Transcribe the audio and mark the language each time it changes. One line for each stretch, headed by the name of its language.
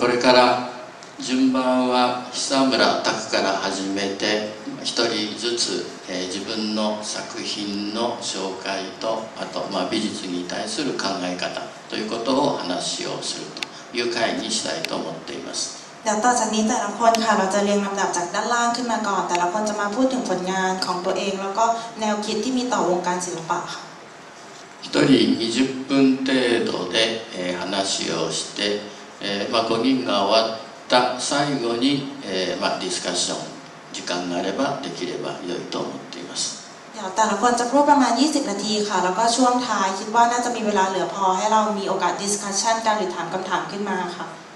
Japanese: これから順番は久村拓から始めて一人ずつ。自分の作品の紹介とあと、まあ、美術に対する考え方ということを話をするという会にしたいと思っています。では
Thai: ต่อจากนี้แต่ละคนค่ะเราจะเรียงลำดับจากด้านล่างขึ้นมาก่อนแต่ละคนจะมาพูดถึงผลงานของตัวเองแล้วก็แนวคิดที่มีต่อวงการศิลปะ
Japanese: 一人20分程度で話をして5人が終わった最後にディスカッション時間があればできれば良いと思っています。
Thai: แต่ละคนจะพูดประมาณ20นาทีค่ะแล้วก็ช่วงท้ายคิดว่าน่าจะมีเวลาเหลือพอให้เรามีโอกาสดิสคัชชันกันหรือถามคำถามขึ้นมาค่ะ